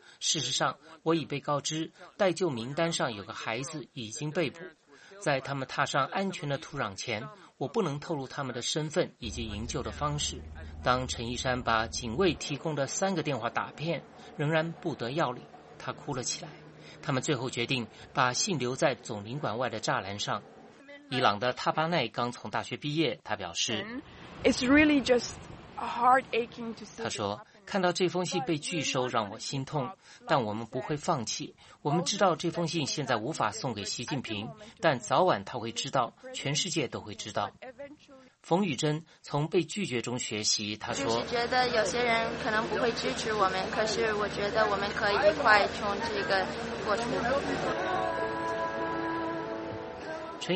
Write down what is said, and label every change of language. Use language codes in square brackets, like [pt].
[zh] 事实上，我已被告知待救名单上有个孩子已经被捕，在他们踏上安全的土壤前，我不能透露他们的身份以及营救的方式。当陈一山把警卫提供的3个电话打遍，仍然不得要领，他哭了起来。他们最后决定把信留在总领馆外的栅栏上。伊朗的塔巴奈刚从大学毕业，他表示 [en] It's really just a heart aching to see. [zh] 他说看到这封信被拒收让我心痛，但我们不会放弃。我们知道这封信现在无法送给习近平，但早晚他会知道，全世界都会知道。冯宇珍从被拒绝中学习，他说就是觉得有些人可能不会支持我们，可是我觉得我们可以一块从这个过程。